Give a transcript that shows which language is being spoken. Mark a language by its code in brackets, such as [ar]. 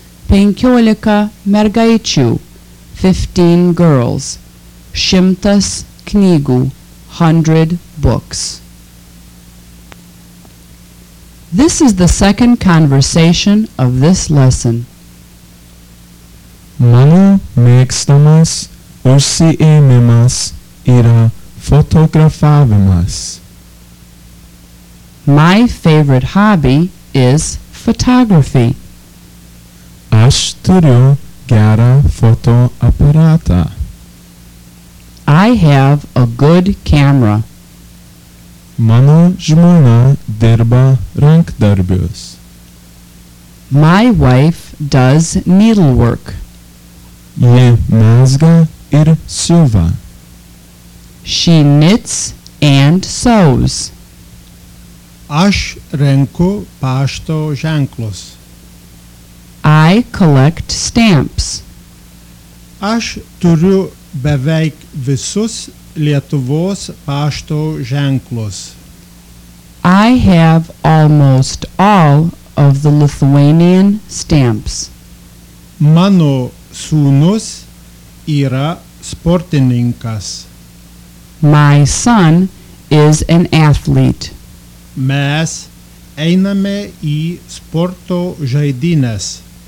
[lt] Penkiolika mergaičių, [en] 15 girls. [lt] Šimtas knygų, [en] 100 books. This is the second conversation of this lesson. [lt] Mano mėgstamas užsiėmimas yra fotografavimas. [en] My favorite hobby is photography. [lt] Aš turiu gerą fotoaparatą. [en] I have a good camera. [lt] Mano žmona dirba rankdarbius. [en] My wife does needlework. [lt] Ji mezga ir siuva. [en] She knits and sews. [lt] Aš renku pašto ženklus. [en] I collect stamps. [lt] Aš turiu beveik visus Lietuvos pašto ženklus. [en] I have almost all of the Lithuanian stamps. [lt] Mano sūnus yra sportininkas. [en] My son is an athlete. [lt] Mes einame į sporto žaidynes.